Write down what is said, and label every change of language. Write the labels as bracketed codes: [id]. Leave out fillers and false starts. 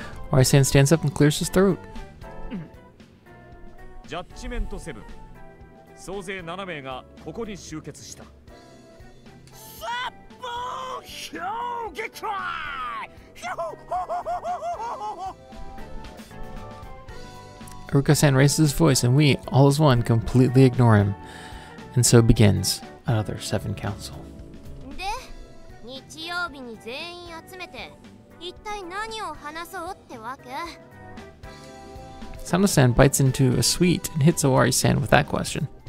[en] Ori-san stands up and clears his throat. Judgment 7. [ja] 総勢 7 名が ここに 集結した. [en] Uruka-san raises his voice, and we, all as one, completely ignore him. And so begins another Seven Council. [ja] で、 日曜日に 全員集めて 一体何を話そうってわけ? [en] Sano-san bites into a sweet and hits Owari-san with that question.